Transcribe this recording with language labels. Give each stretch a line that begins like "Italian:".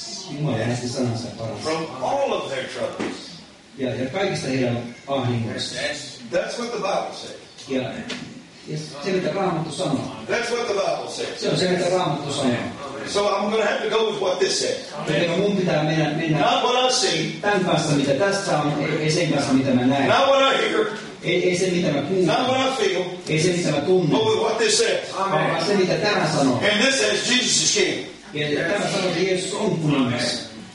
Finnish: Jumala lähetti sanansa parasta.
English: From all of their troubles.
Finnish: Ja kaikista heidän ahdingosta.
English: That's what the Bible says.
Finnish: Ja se mitä Raamattu sanoo.
English: That's what the Bible says.
Finnish: Se on se mitä Raamattu sanoo.
English: So I'm going to have to go with what this says.
Finnish: Joten mun pitää mennä.
English: Not what I see.
Finnish: Tän kanssa mitä tässä on, ei sen kanssa mitä mä näen.
English: Not what I hear.
Finnish: Ei se mitä mä kuulen.
English: Not what I feel.
Finnish: Ei se mitä mä tunnen.
English: But with what this says.
Finnish: Amen. Se mitä tämä sanoo.
English: And this says Jesus is king.
Finnish: Ja tämä sanoo, että Jeesus on kuningas.